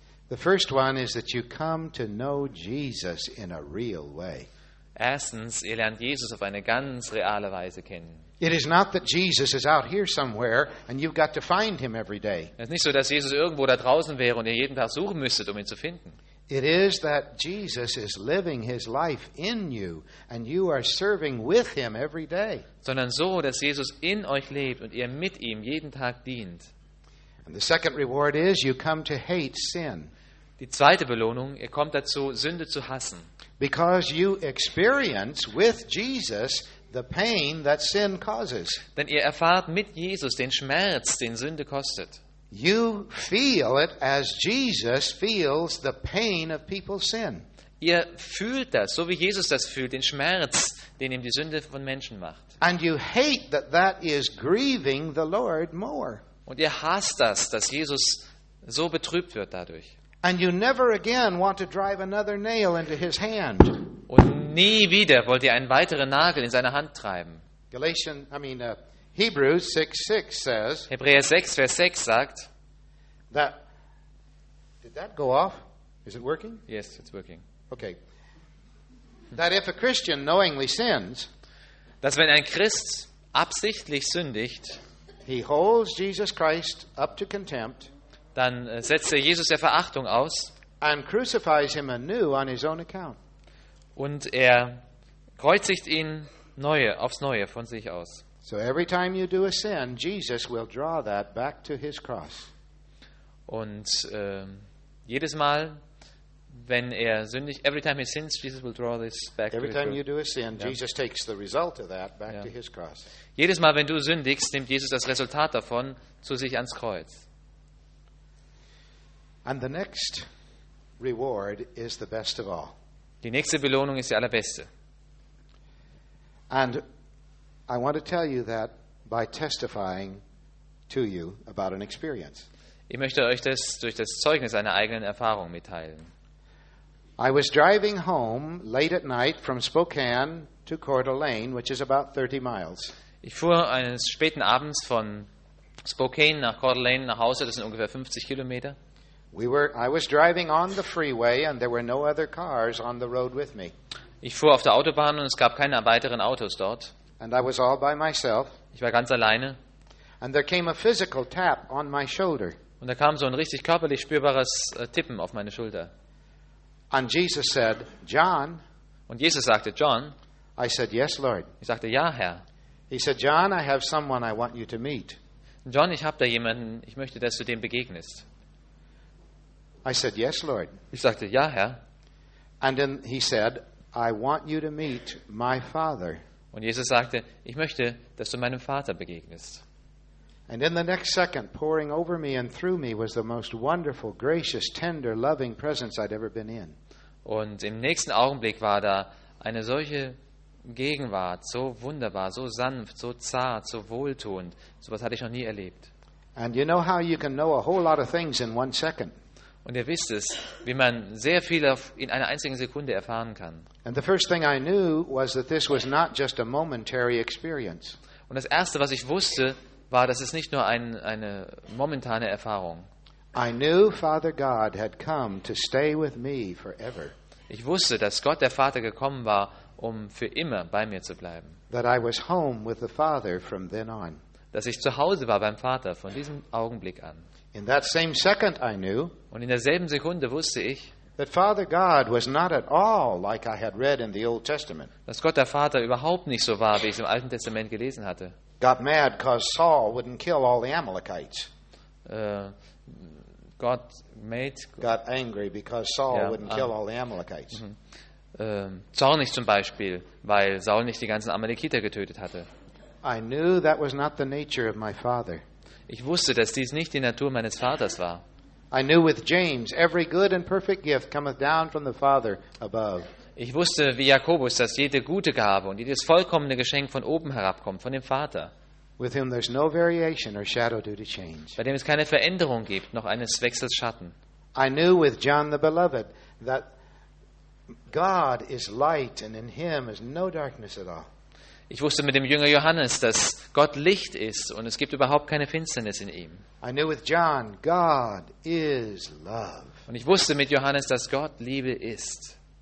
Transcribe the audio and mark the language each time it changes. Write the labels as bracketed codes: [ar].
[en] The first one is that you come to know Jesus in a real way. [de] Erstens, ihr lernt Jesus auf eine ganz reale Weise kennen. [en] It is not that Jesus is out here somewhere and you've got to find him every day. [de] Es ist nicht so, dass Jesus irgendwo da draußen wäre und ihr jeden Tag suchen müsstet, um ihn zu finden. [en] It is that Jesus is living his life in you and you are serving with him every day. [de] Sondern so, dass Jesus in euch lebt und ihr mit ihm jeden Tag dient. [en] And the second reward is you come to hate sin. [de] Die zweite Belohnung, ihr kommt dazu, Sünde zu hassen. [en] Because you experience with Jesus the pain that sin causes. [de] Denn ihr erfahrt mit Jesus den Schmerz, den Sünde kostet. [en] You feel it as Jesus feels the pain of people's sin. [de] Ihr fühlt das, so wie Jesus das fühlt, den Schmerz, den ihm die Sünde von Menschen macht. [en] And you hate that is grieving the Lord more. [de] Und ihr hasst das, dass Jesus so betrübt wird dadurch. [en] And you never again want to drive another nail into his hand. [de] Und nie wieder wollt ihr einen weiteren Nagel in seine Hand treiben. [en] Hebrews 6:6 says. [de] Hebräer 6, Vers 6 sagt. [en] That, did that go off? Is it working? Yes, it's working. Okay. That if a Christian knowingly sins, [de] dass wenn ein Christ absichtlich sündigt, [en] he holds Jesus Christ up to contempt, [de] dann setzt er Jesus der Verachtung aus [en] and crucifies him anew on his own account. [de] Und er kreuzigt ihn neue, aufs Neue von sich aus. [en] So every time you do a sin, Jesus will draw that back to his cross. [de] Und jedes Mal, wenn er sündigt, [en] every time he sins, Jesus will draw this back every to his cross. Every time you do a sin, yeah. Jesus takes the result of that back yeah. to his cross. [de] Jedes Mal, wenn du sündigst, nimmt Jesus das Resultat davon zu sich ans Kreuz. [en] And the next reward is the best of all. [de] Die nächste Belohnung ist die allerbeste. [en] And I want to tell you that by testifying to you about an experience. [de] Ich möchte euch das durch das Zeugnis einer eigenen Erfahrung mitteilen. [en] I was driving home late at night from Spokane to Coeur d'Alene, which is about 30 miles. [de] Ich fuhr eines späten Abends von Spokane nach Coeur d'Alene nach Hause, das sind ungefähr 50 Kilometer. [en] I was driving on the freeway and there were no other cars on the road with me. [de] Ich fuhr auf der Autobahn und es gab keine weiteren Autos dort. [en] And I was all by myself. [de] Ich war ganz alleine. [en] And there came a physical tap on my shoulder. [de] Und da kam so ein richtig körperlich spürbares Tippen auf meine Schulter. [en] And Jesus said, John. [de] Und Jesus sagte, John. [en] I said, yes, Lord. [de] Ich sagte, ja, Herr. [en] He said, John, I have someone I want you to meet. [de] John, ich habe da jemanden, ich möchte, dass du dem begegnest. [en] I said, yes, Lord. [de] Ich sagte, ja, Herr. [en] And then he said, I want you to meet my father. [de] Und Jesus sagte, ich möchte, dass du meinem Vater begegnest. [en] And in the next second, pouring over me and through me was the most wonderful, gracious, tender, loving presence I'd ever been in. [de] Und im nächsten Augenblick war da eine solche Gegenwart, so wunderbar, so sanft, so zart, so wohltuend. Sowas hatte ich noch nie erlebt. [en] And you know how you can know a whole lot of things in one second. [de] Und ihr wisst es, wie man sehr viel in einer einzigen Sekunde erfahren kann. [en] And the first thing I knew was that this was not just a momentary experience. [de] Und das erste, was ich wusste, war, das ist nicht nur eine momentane Erfahrung. [en] I knew Father God had come to stay with me forever. [de] Ich wusste, dass Gott der Vater gekommen war, um für immer bei mir zu bleiben. [en] That I was home with the Father from then on. [de] Dass ich zu Hause war beim Vater von diesem Augenblick an. [en] In that same second I knew. [de] Und in derselben Sekunde wusste ich, [en] that Father God was not at all like I had read in the Old Testament. [de] Dass Gott der Vater überhaupt nicht so war, wie ich es im Alten Testament gelesen hatte. [en] Got mad because Saul wouldn't kill all the Amalekites. Got angry because Saul wouldn't kill all the Amalekites. [de] Zornig zum Beispiel, weil Saul nicht die ganzen Amalekiter getötet hatte. [en] I knew that was not the nature of my father. [de] Ich wusste, dass dies nicht die Natur meines Vaters war. [en] I knew with James, every good and perfect gift cometh down from the Father above. [de] Ich wusste, wie Jakobus, dass jede gute Gabe und jedes vollkommene Geschenk von oben herabkommt, von dem Vater. [en] With whom there's no variation or shadow due to change. [de] Bei dem es keine Veränderung gibt, noch eines Wechsels Schatten. [en] I knew with John the Beloved that God is light and in him is no darkness at all. [de] Ich wusste mit dem Jünger Johannes, dass Gott Licht ist und es gibt überhaupt keine Finsternis in ihm. [en] I knew with John, God is love. [de] Und ich wusste mit Johannes, dass Gott Liebe ist.